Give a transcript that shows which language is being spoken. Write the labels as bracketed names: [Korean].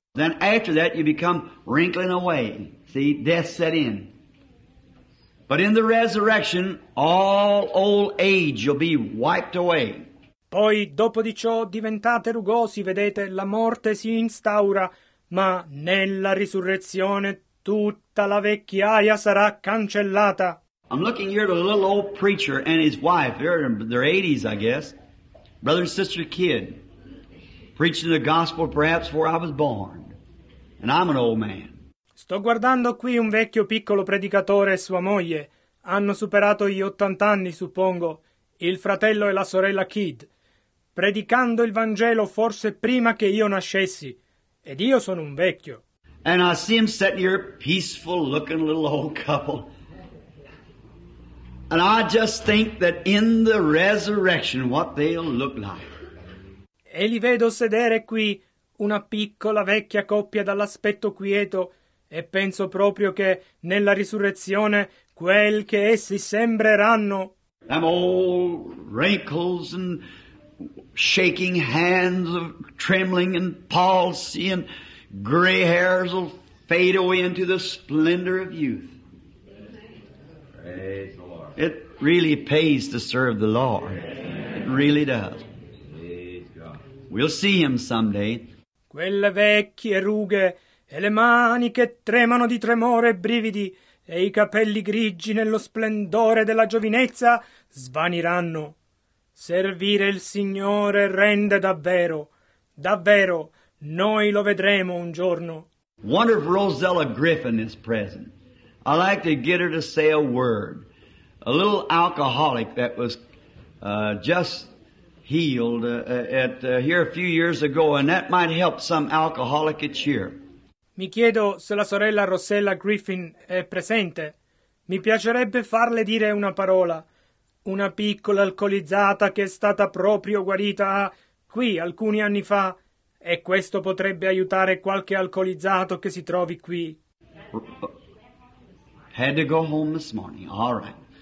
[English] Then after that you become wrinkling away. See, death set in. But in the resurrection, all old age will be wiped away. [Italian] Poi, dopo di ciò, diventate rugosi, vedete, la morte si instaura, ma nella risurrezione tutta la vecchiaia sarà cancellata. [English] I'm looking here at a little old preacher and his wife, they're in their 80s, I guess, brother and sister kid, preaching the gospel perhaps before I was born, and I'm an old man. [Italian] Sto guardando qui un vecchio piccolo predicatore e sua moglie, hanno superato gli 80 anni, suppongo, il fratello e la sorella Kid, predicando il Vangelo forse prima che io nascessi, ed io sono un vecchio. [English] And I see him sitting here, peaceful looking little old couple. And I just think that in the resurrection what they'll look like. [Italian] E li vedo sedere qui, una piccola vecchia coppia dall'aspetto quieto, e penso proprio che nella risurrezione quel che essi sembreranno. [English] Them old wrinkles and shaking hands of trembling and palsy, and gray hairs will fade away into the splendor of youth. Praise the Lord. It really pays to serve the Lord. Amen. It really does. Praise God. We'll see him someday. [Italian] Quelle vecchie rughe e le mani che tremano di tremore e brividi e i capelli grigi nello splendore della giovinezza svaniranno. Servire il Signore rende davvero, davvero, noi lo vedremo un giorno. [English] Wonder if Rosella Griffin is present. I'd like to get her to say a word. A little alcoholic that was just healed here a few years ago, and that might help some alcoholic it's here. [Italian] Mi chiedo se la sorella Rosella Griffin è presente. Mi piacerebbe farle dire una parola. Una piccola alcolizzata che è stata proprio guarita qui alcuni anni fa, e questo potrebbe aiutare qualche alcolizzato che si trovi qui. [English] Had to go home this morning. All right.